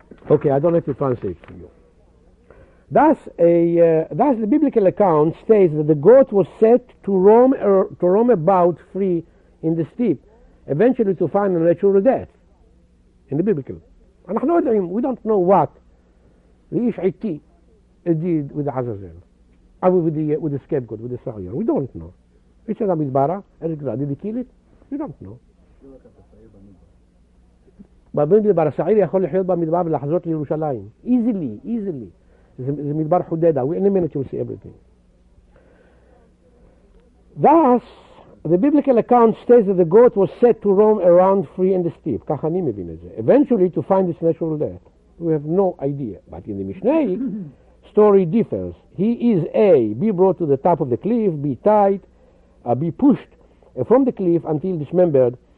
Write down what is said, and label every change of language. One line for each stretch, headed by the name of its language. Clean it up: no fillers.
English: Okay, I don't have to translate for you. Thus the biblical account states that the goat was set to roam about free in the steppe, eventually to find a natural death. In the biblical. And we don't know what the Ish Iti did with the Azazel, with the scapegoat, with the Sahir. We don't know. Ish Amidbara, did he kill it? We don't know.
Hebrew: במדבר, השעיר יכול לחיות במדבר ולחזות לירושלים.
English: Easily.
Hebrew: זה מדבר חודדה.
English: We any minute will see everything. Thus, the biblical account states that the goat was set to roam around free and the steep.
Hebrew: כך אני מבין את זה.
English: Eventually, to find its natural death. We have no idea. But in the Mishnah, story differs. He is A, be brought to the top of the cliff, be tied, be pushed from the cliff until dismembered.